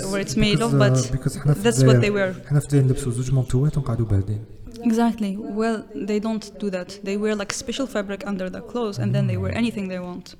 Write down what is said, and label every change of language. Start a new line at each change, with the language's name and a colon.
English: where it's made of, but that's what they wear.
Arabic: حنفتي نلبسوا زوج مونتوي تنقعدوا باردين.
English: Exactly. Well, they don't do that. They wear like special fabric under the clothes, and then they wear anything they want.